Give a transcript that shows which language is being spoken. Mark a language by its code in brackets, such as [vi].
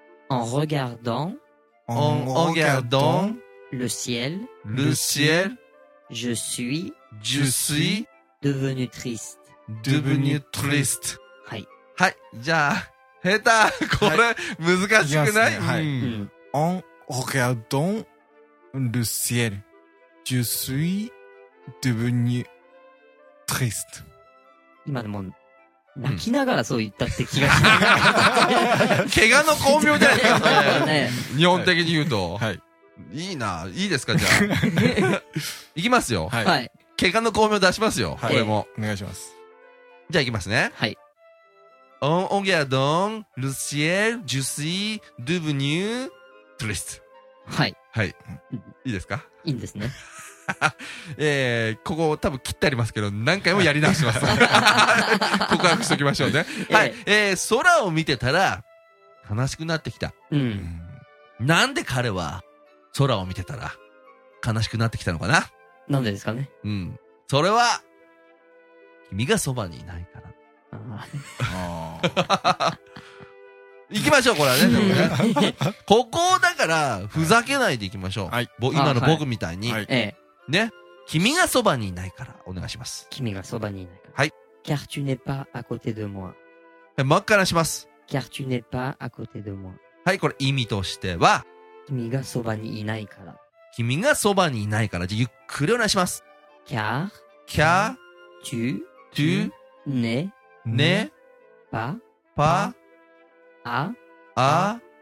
[fr] En regardant, en regardant le ciel, le ciel, je suis devenu triste. Devenu triste. [ja] はい。はい、じゃあ、下手、これ、はい、難しくない？はい。 [fr] En regardant le ciel, je suis devenu triste. [ja] 今でも泣きながらそう言ったって気がする、うん。怪我の巧妙じゃないですか、ね。日本的に言うと、はい、いいな、いいですかじゃあ。いきますよ。はい。怪我の巧妙出しますよ。はい、これも、お願いします。じゃあいきますね。はい。 [fr] En regardant le ciel, je suis devenu triste. [ja] はい。はい。いいですか。いいんですね。ここ多分切ってありますけど何回もやり直します告白しときましょうね。はい、空を見てたら悲しくなってきた、うん、なんで彼は空を見てたら悲しくなってきたのかな。なんでですかね。うん。それは、君がそばにいないから。ああ。行きましょう、これはね。ここだから、ふざけないで行きましょう。はい。今の僕みたいに。はい。ええ。ね。君がそばにいないから、お願いします。君がそばにいないから。はい。 [fr] car tu n'es pas à côté de moi。 [ja] 真っ赤なします。 [fr] car tu n'es pas à côté de moi。 [ja] はい、これ意味としては。君がそばにいないから。君がそばにいないから。じゃ、ゆっくりお願いします。 [fr] car, car, tu, tu, ne, ne, pa, pa, à, à,